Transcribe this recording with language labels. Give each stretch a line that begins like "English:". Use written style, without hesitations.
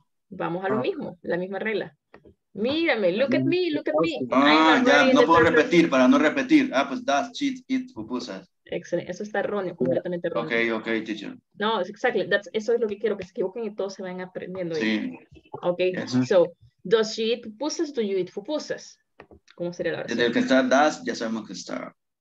Spanish: Vamos a lo mismo, la misma regla. Mírame,
English: look at me.
Spanish: Ya, no puedo repetir, para no repetir. Ah, pues
English: does she eat pupusas.
Spanish: Excelente, eso está erróneo, completamente erróneo.
English: Ok, teacher.
Spanish: No, exactamente, eso es lo que quiero, que se equivoquen y todos se vayan aprendiendo. Sí.
English: Ok, yes. So, does she eat pupusas, do you eat pupusas?
Spanish: ¿Cómo sería la versión? Desde que está does, ya sabemos que está...